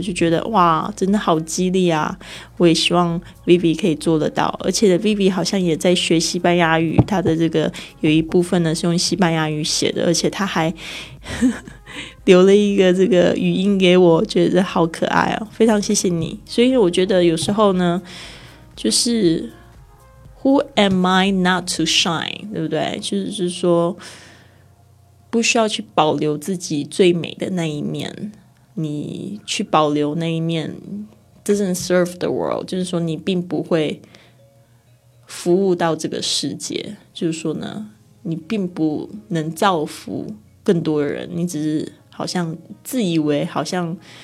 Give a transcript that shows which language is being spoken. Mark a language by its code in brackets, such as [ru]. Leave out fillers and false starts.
[zh] 我就觉得哇，真的好激励啊！我也希望 Vivi 可以做得到。而且 Vivi 好像也在学西班牙语，他的这个有一部分呢是用西班牙语写的，而且他还留了一个这个语音给我，觉得好可爱啊！非常谢谢你。所以我觉得有时候呢，就是 [en] Who am I not to shine? [zh] 对不对？就是说不需要去保留自己最美的那一面，你去保留那一面 [en] doesn't serve the world， [zh] 就是说你并不会服务到这个世界，就是说呢你并不能造福更多人，你只是好像自以为好像